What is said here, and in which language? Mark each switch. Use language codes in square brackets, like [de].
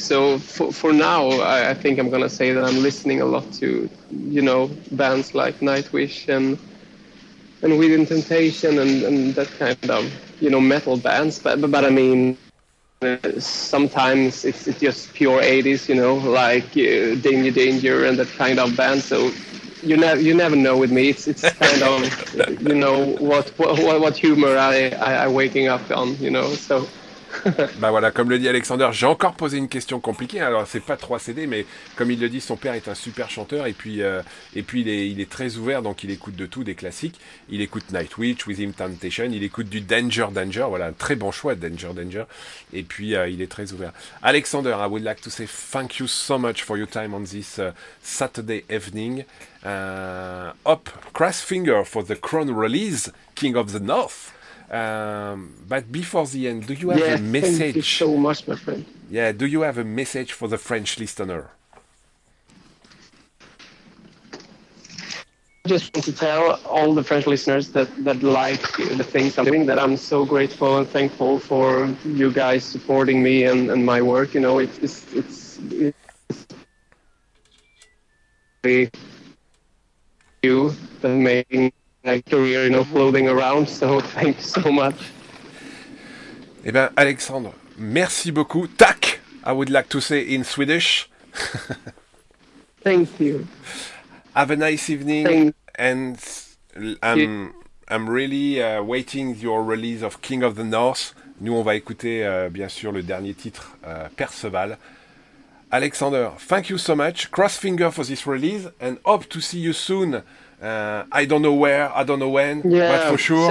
[en] So for now I think I'm gonna say that I'm listening a lot to, you know, bands like Nightwish and Within Temptation and that kind of, you know, metal bands, but I mean, sometimes it's just pure 80s, you know, like Danger and that kind of band. So you never know with me. It's kind of, you know, what humor I waking up on, you know. So. [fr] Bah voilà, comme le dit Alexander, j'ai encore posé une question compliquée. Alors c'est pas trois CD, mais comme il le dit, son père est un super chanteur, et puis il est très ouvert, donc il écoute de tout, des classiques. Il écoute Nightwish, Within Temptation, il écoute du Danger, voilà, un très bon choix, Danger. Et puis il est très ouvert. [en] Alexander, I would like to say thank you so much for your time on this Saturday evening. Cross finger for the Crown release, King of the North. But before the end, do you have a message? Thank you so much, my friend. Yeah, do you have a message for the French listener? I just want to tell all the French listeners that like the things I'm doing, that I'm so grateful and thankful for you guys supporting me and my work. You know, it's you that made career, you know, floating around, so thank you so much. [fr] Eh bien, Alexandre, merci beaucoup. [en] Tack, I would like to say in Swedish. Thank you. Have a nice evening. I'm really waiting your release of King of the North. [fr] Nous, on va écouter, bien sûr, le dernier titre, Perceval. [en] Alexandre, thank you so much. Cross finger for this release and hope to see you soon. I don't know where, I don't know when, but for sure,